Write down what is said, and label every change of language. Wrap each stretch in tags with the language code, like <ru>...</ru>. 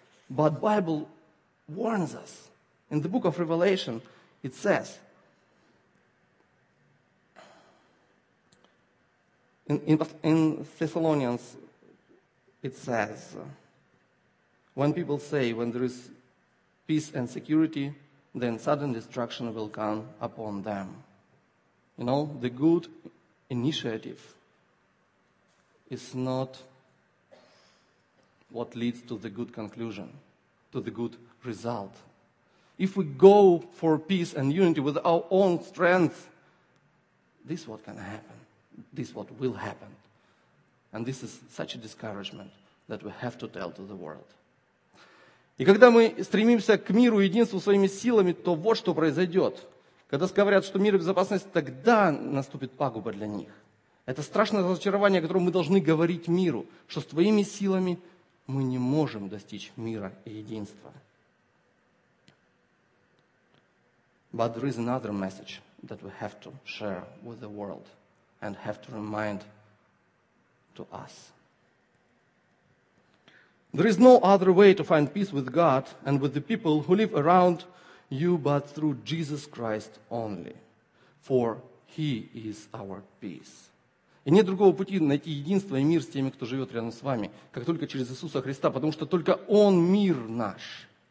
<en>But Bible warns us. In the book of Revelation, it says, in Thessalonians, it says, when people say, when there is peace and security, then sudden destruction will come upon them. You know, the good initiative is not what leads to the good conclusion, to the good result. If we go for peace and unity with our own strength, this is what can happen. This is what will happen. And this is such a discouragement that we have to tell to the world.</en> <ru>И когда мы стремимся к миру и единству своими силами, то вот что произойдет. Когда говорят, что мир и безопасность, тогда наступит пагуба для них. Это страшное разочарование, о котором мы должны говорить миру, что с твоими силами мы не можем достичь мира и единства.</ru> <en>But there is another message that we have to share with the world and have to remind to us. There is no other way to find peace with God and with the people who live around you but through Jesus Christ only. For He is our peace.</en> <ru>И нет другого пути найти единство и мир с теми, кто живет рядом с вами, как только через Иисуса Христа, потому что только Он мир наш.</ru>